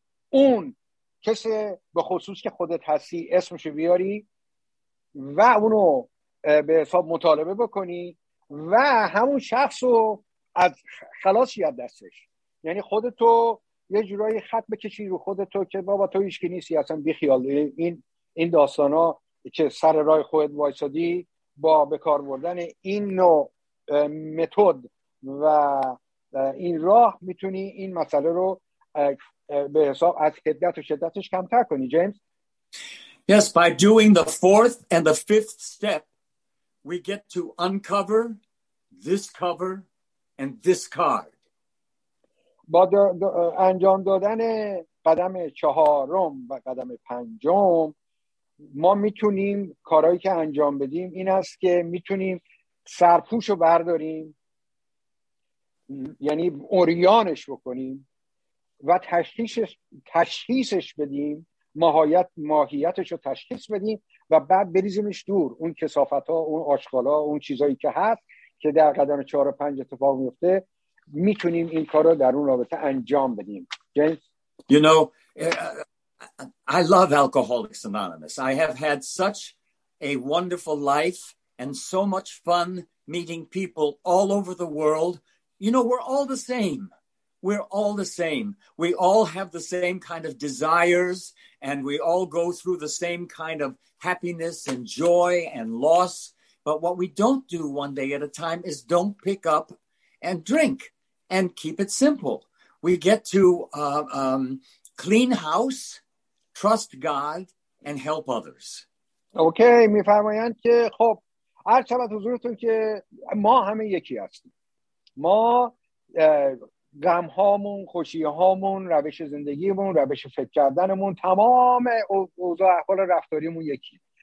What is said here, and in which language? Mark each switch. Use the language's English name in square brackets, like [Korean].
[Persian] اون کسی به خصوص که خودت هستی اسمشو بیاری و اونو به حساب مطالبه بکنی و همون شخص رو از خلاصی از دستش، یعنی خودتو یه جورایی خط بکشی رو خودتو که بابا تو هیچ کی نیستی اصلا، بیخیال این داستانا که سر رای خودت وایسادی با بکار بردن این نوع متد و این راه میتونی این مسئله رو به حساب از حدت و شدتش کمتر کنی. جیمز: [English] Yes, by doing the fourth and the fifth step we get to uncover this cover and this card. [Persian] با انجام دادن قدم چهارم و قدم پنجم ما میتونیم کارهایی که انجام بدیم این است که میتونیم سرپوش رو برداریم، یعنی اوریانش بکنیم و تشخیصش بدیم، ماهیتش رو تشخیص بدیم و بعد بریزیمش دور، اون کثافت ها، اون آشغال ها، اون چیزایی که هست که در قدم 4 و 5 اتفاق میفته، میتونیم این کار رو در اون رابطه انجام بدیم. جیمز: [English] You know, I love Alcoholics Anonymous. I have had such a wonderful life and so much fun meeting people all over the world. You know, we're all the same. We're all the same. We all have the same kind of desires and we all go through the same kind of happiness and joy and loss. But what we don't do one day at a time is don't pick up and drink and keep it simple. We get to clean house, trust God and help others. [Persian] Okay, می فرمایند که خب هر چبت حضورتون که ما همه یکی هستیم. ما غم هامون، خوشی هامون، روش زندگیمون، روش فکر کردنمون، تمام اوضاع احوال رفتاریمون یکی.